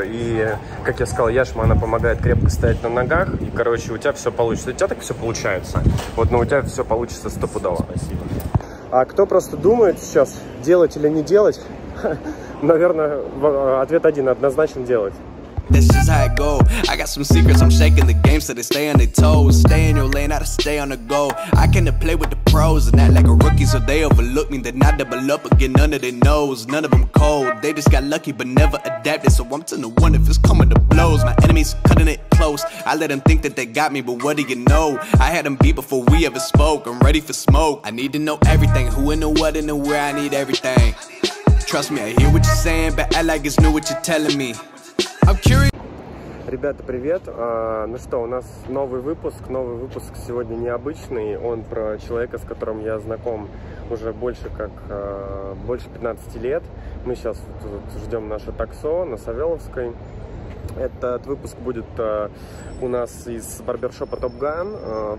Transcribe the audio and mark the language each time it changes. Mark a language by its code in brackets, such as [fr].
[ru] И, как я сказал, Яшма, она помогает крепко стоять на ногах. И, короче, у тебя все получится. У тебя так все получается. Вот, но у тебя все получится стопудово. Спасибо. А кто просто думает сейчас, делать или не делать? Наверное, ответ один, однозначно делать. [en] This is how it go. I got some secrets, I'm shaking the game so they stay on their toes. Stay in your lane, I gotta stay on the go. I can't play with the pros and act like a rookie so they overlook me. Then I double up again under their nose. None of them cold, they just got lucky but never adapted. So I'm telling the one if it's coming to blows. My enemies cutting it close. I let them think that they got me but what do you know? I had them beat before we ever spoke. I'm ready for smoke. I need to know everything. Who in the what and the where I need everything. Trust me, I hear what you're saying but act like it's new what you're telling me. [ru] Ребята, привет! Ну что, у нас новый выпуск. Новый выпуск сегодня необычный. Он про человека, с которым я знаком уже больше 15 лет. Мы сейчас вот ждем наше таксо на Савеловской. Этот выпуск будет у нас из барбершопа Топган.